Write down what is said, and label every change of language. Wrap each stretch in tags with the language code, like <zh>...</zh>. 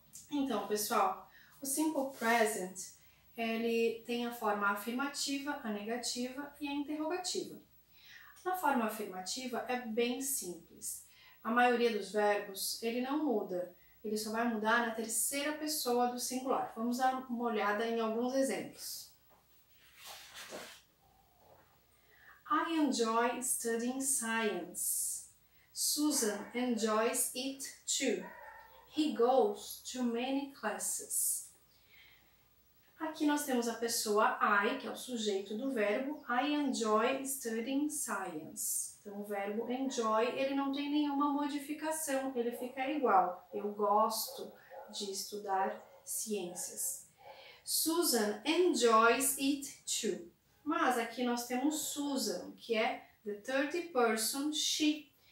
<pt>Então, pessoal, o Simple Present, ele tem a forma afirmativa, a negativa e a interrogativa. Na forma afirmativa, é bem simples. A maioria dos verbos, ele não muda. Ele só vai mudar na terceira pessoa do singular. Vamos dar uma olhada em alguns exemplos.</pt> <en>I enjoy studying science. Susan enjoys it too. He goes to many classes.</en> <pt>Aqui nós temos a pessoa I, que é o sujeito do verbo.</pt> <en>I enjoy studying science.</en> <pt>Então, o verbo enjoy, ele não tem nenhuma modificação, ele fica igual. Eu gosto de estudar ciências.</pt> <en>Susan enjoys it too.</en> <pt>Mas aqui nós temos Susan, que é</pt> <en>the third person, she.</en>